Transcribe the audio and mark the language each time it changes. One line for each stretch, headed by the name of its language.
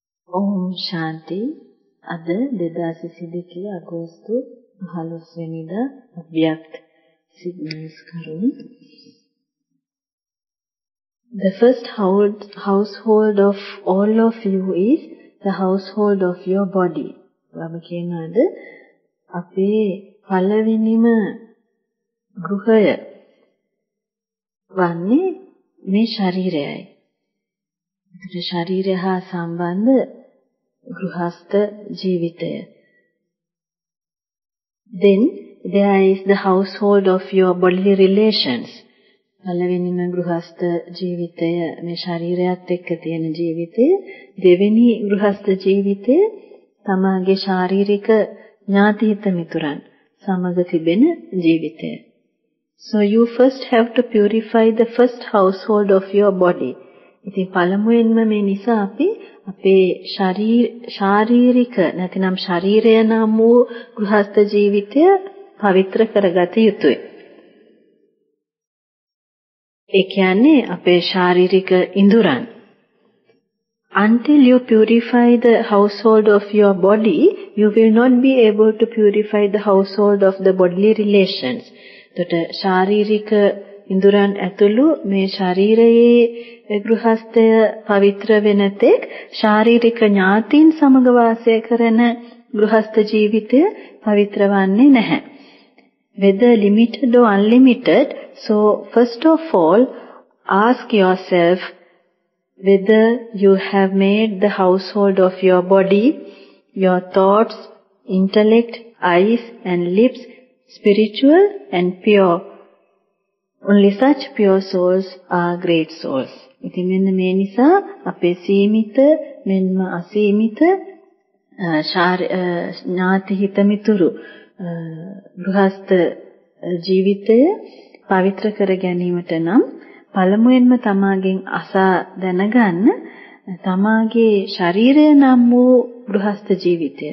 Sinhala: ओम शांति अद 2022 अगस्त 15 වෙනිදා අව්‍යක්ත signals කරුණි.
English: The first household of all of you is the household of your body.
Sinhala: ඔබ කියනවාද අපේ පළවෙනිම ගෘහය වන්නේ මේ ශරීරයයි. ඒ ශරීරය හා සම්බන්ධ ගෘහස්ත ජීවිතය.
English: Then there is the household of your bodily relations.
Sinhala: පළවෙනිම ගෘහස්ත ජීවිතය මේ ශරීරයත් එක්ක තියෙන ජීවිතය. දෙවෙනි ගෘහස්ත ජීවිතය තමගේ ශාරීරික ඥාති හිත මිතුරන් සමග තිබෙන ජීවිතය.
English: So you first have to purify the first household of your body.
Sinhala: ඉතින් පළමුවෙන්ම මේ නිසා අපි අපේ ශාරීරික නැතිනම් ශරීරය නම් වූ ගෘහස්ත ජීවිතය පවිත්‍ර කරගත යුතුයි. ඒ කියන්නේ අපේ ශාරීරික ඉඳුරන්.
English: Until you purify the household of your body, you will not be able to purify the household of the bodily relations.
Sinhala: එතකොට ශාරීරික ඉඳුරන් ඇතුළු මේ ශරීරයේ ගෘහස්තය පවිත්‍ර වෙනතෙක් ශාරීරික ඥාතීන් සමග වාසය කරන ගෘහස්ත ජීවිතය පවිත්‍රවන්නේ නැහැ.
English: Whether limited or unlimited, so first of all, ask yourself whether you have made the household of your body, your thoughts, intellect, eyes and lips spiritual and pure. Only such pure souls are great souls.
Sinhala: ඉතින් මෙන්න මේ නිසා අපේ සීමිත මෙන්ම අසීමිත ඥාති හිත මිතුරු ගෘහස්ත ජීවිතය පවිත්‍ර කර ගැනීමට නම් පළමුවෙන්ම තමාගෙන් අසා දැනගන්න තමාගේ ශරීරය නම් වූ ගෘහස්ත ජීවිතය.